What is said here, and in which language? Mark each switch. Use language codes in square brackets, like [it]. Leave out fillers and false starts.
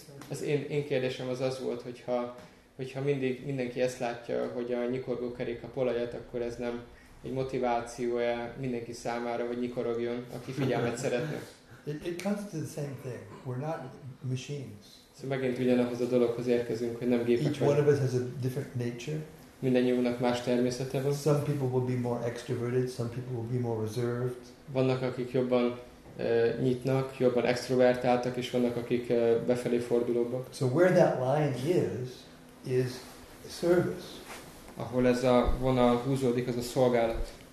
[hu] Az én kérdésem az volt, hogyha mindig mindenki ezt látja, hogy a nyikorgó kerék a olajat, akkor ez nem egy motivációja mindenki számára, hogy nyikorogjon, aki figyelmet szeretne. [en] It comes to the same thing. We're not machines. [hu] Szóval megint ugyanahoz a dologhoz érkezünk, hogy nem gépek vagyunk. [en] Each one of us has a different nature. [hu] Mindannyiunknak más természete van. [en] Some people will be more extroverted, some people will be more reserved. [hu] Vannak, akik jobban nyitnak, jobban extrovertáltak, és vannak, akik befelé fordulóbbak. [en] So where that line is service. [hu] Ahol ez a vonal húzódik, az a szolgálat.